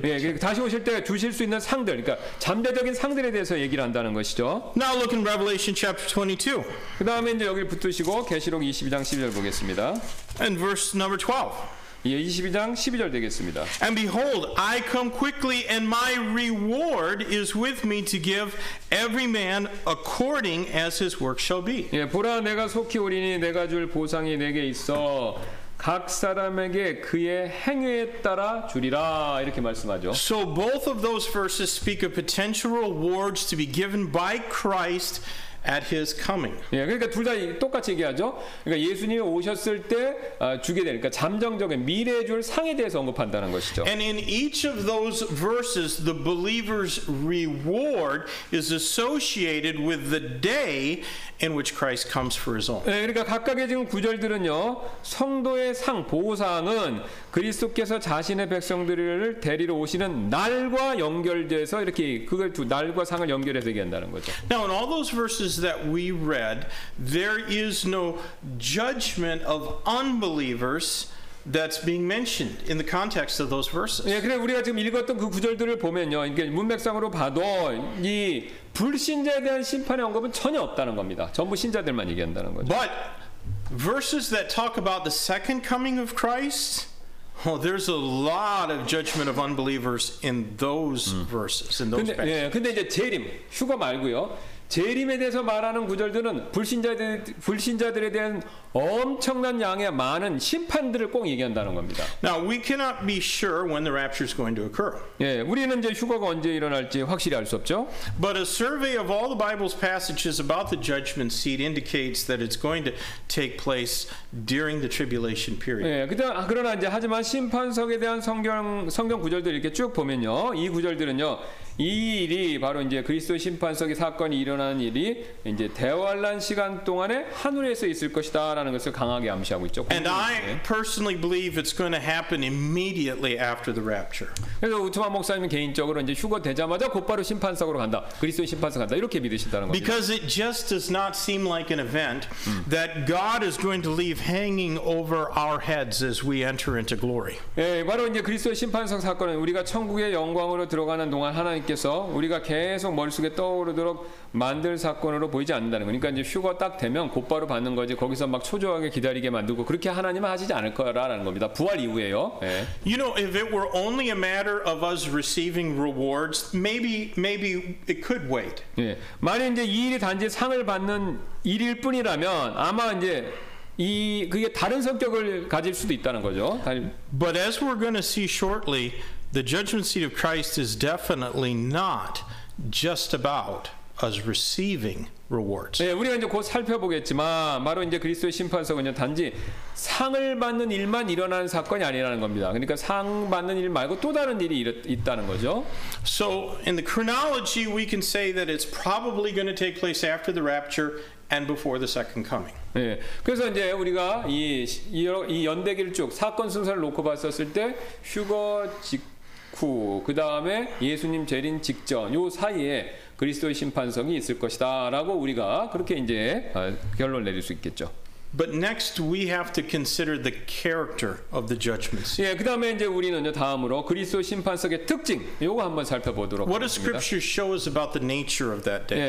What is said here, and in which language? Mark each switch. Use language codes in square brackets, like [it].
[ko] 예, 다시 오실 때 주실 수 있는 상들, 그러니까 잠재적인 상들에 대해서 얘기를 한다는 것이죠. [en] Now look in Revelation chapter 22. [ko] 그 다음에 이제 여기 붙으시고 계시록 22장 12절 보겠습니다. [en] And verse number 12. [ko] 예, 22장 12절 되겠습니다. [en] And behold, I come quickly, and my reward is with me to give every man according as his work shall be. [ko] 예, 보라, 내가 속히 오리니 내가 줄 보상이 내게 있어 각 사람에게 그의 행위에 따라 주리라 이렇게 말씀하죠. [en] So both of those verses speak of potential rewards to be given by Christ at his coming. [ko] 예, 그러니까 둘 다 똑같이 얘기하죠. 그러니까 예수님이 오셨을 때 주게 될 그러니까 잠정적인 미래에 줄 상에 대해서 언급한다는 것이죠. [en] And in each of those verses the believer's reward is associated with the day in which Christ comes for his own. [ko] 예, 그러니까 각각의 지금 구절들은요. 성도의 상 보상은 그리스도께서 자신의 백성들을 데리러 오시는 날과 연결돼서 이렇게 그걸 두 날과 상을 연결해서 얘기한다는 거죠. [en] Now in all those verses that we read, there is no judgment of unbelievers that's being mentioned in the context of those verses. [ko] 예, 그래 우리가 지금 읽었던 그 구절들을 보면요, 이게 문맥상으로 봐도 이 불신자에 대한 심판의 언급은 전혀 없다는 겁니다. 전부 신자들만 얘기한다는 거죠. [en] But verses that talk about the second coming of Christ. Well, there's a lot of judgment of unbelievers in those verses, in those passages. [ko] 근데 이제 재림, 휴거 말고요. 재림에 대해서 말하는 구절들은 불신자들에 대한 엄청난 양의 많은 심판들을 꼭 얘기한다는 겁니다. [en] Now, we cannot be sure when the rapture is going to occur. [ko] 예, 우리는 이제 휴거가 언제 일어날지 확실히 알 수 없죠. [en] But a survey of all the Bible's passages about the judgment seat indicates that it's going to take place during the tribulation period. [ko] 예, 그러나 이제 하지만 심판석에 대한 성경 구절들 이렇게 쭉 보면요. 이 구절들은요. 이 일이 바로 이제 그리스도 심판석의 사건이 일어나는 일이 이제 대환란 시간 동안에 하늘에서 있을 것이다라는 것을 강하게 암시하고 있죠. [en] And I personally believe it's going to happen immediately after the rapture. [ko] 그래서 우투마 목사님 개인적으로 이제 휴거 되자마자 곧바로 심판석으로 간다. 그리스도 심판석 간다. 이렇게 믿으신다는 거죠. [en] Because it just does not seem like an event that God is going to leave hanging over our heads as we enter into glory. [ko] 예, 바로 이제 그리스도 심판석 사건은 우리가 천국의 영광으로 들어가는 동안 하나님께서 우리가 계속 머릿속에 떠오르도록 만들 사건으로 보이지 않는다는 거니까 이제 휴거 딱 되면 곧바로 받는 거지 거기서 막 초조하게 기다리게 만들고 그렇게 하나님은 하시지 않을 거라는 겁니다. 부활 이후에요. 예. [en] You know, if it were only a matter of us receiving rewards, maybe it could wait. [ko] 예. 만약 이제 이 일이 단지 상을 받는 일일 뿐이라면 아마 이제 이 그게 다른 성격을 가질 수도 있다는 거죠. [en] But as we're going to see shortly, the judgment seat of Christ is definitely not just about us receiving rewards. [ko] 예, 우리가 이제 곧 살펴보겠지만 바로 이제 그리스도의 심판석은 단지 상을 받는 일만 일어나는 사건이 아니라는 겁니다. 그러니까 상 받는 일 말고 또 다른 일이 있다는 거죠. [en] So in the chronology we can say that it's probably going to take place after the rapture and before the second coming. [ko] 예. 그래서 이제 우리가 이 연대기를 쭉 사건 순서를 놓고 봤었을 때 휴거 직후 그다음에 예수님 재림 직전 요 사이에 그리스도의 심판성이 있을 것이다라고 우리가 그렇게 이제 결론 내릴 수 있겠죠. [en] But next we have to consider the character of the judgment seat. [ko] 예, 그다음에 이제 우리는요 다음으로 그리스도 심판석의 특징 요거 한번 살펴보도록 What ha겠습니다. [en] What does scripture show us about the nature of that day?